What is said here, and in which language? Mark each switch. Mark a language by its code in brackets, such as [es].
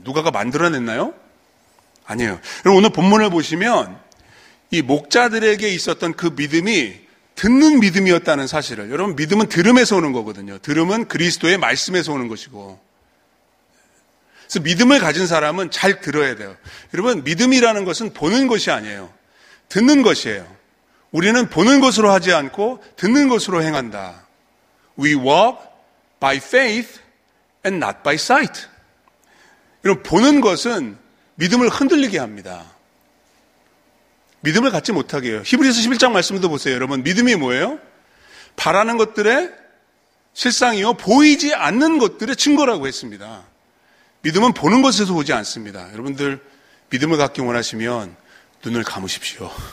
[ko] 누가가 만들어냈나요? 아니에요. 여러분, 오늘 본문을 보시면 이 목자들에게 있었던 그 믿음이 듣는 믿음이었다는 사실을, 여러분, 믿음은 들음에서 오는 거거든요. 들음은 그리스도의 말씀에서 오는 것이고. 그래서 믿음을 가진 사람은 잘 들어야 돼요. 여러분, 믿음이라는 것은 보는 것이 아니에요. 듣는 것이에요. 우리는 보는 것으로 하지 않고 듣는 것으로 행한다. [en] We walk by faith and not by sight. [ko] 여러분, 보는 것은 믿음을 흔들리게 합니다. 믿음을 갖지 못하게 해요. 히브리서 11장 말씀도 보세요, 여러분. 믿음이 뭐예요? 바라는 것들의 실상이요, 보이지 않는 것들의 증거라고 했습니다. 믿음은 보는 것에서 오지 않습니다. 여러분들, 믿음을 갖기 원하시면 눈을 감으십시오.